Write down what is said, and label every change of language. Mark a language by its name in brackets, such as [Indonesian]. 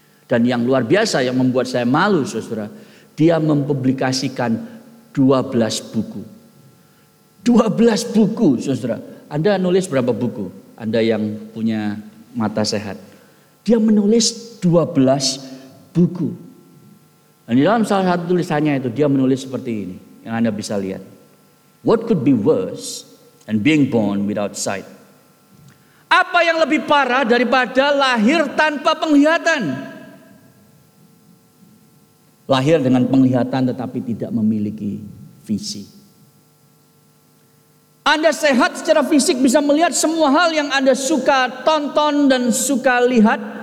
[Indonesian] Dan yang luar biasa yang membuat saya malu, saudara, dia mempublikasikan 12 buku. 12 buku, saudara. Anda nulis berapa buku? Anda yang punya mata sehat. Dia menulis 12 buku. Dan di dalam salah satu tulisannya itu dia menulis seperti ini. Yang Anda bisa lihat. [English] What could be worse than being born without sight? [Indonesian] Apa yang lebih parah daripada lahir tanpa penglihatan? Lahir dengan penglihatan tetapi tidak memiliki visi. Anda sehat secara fisik bisa melihat semua hal yang Anda suka tonton dan suka lihat.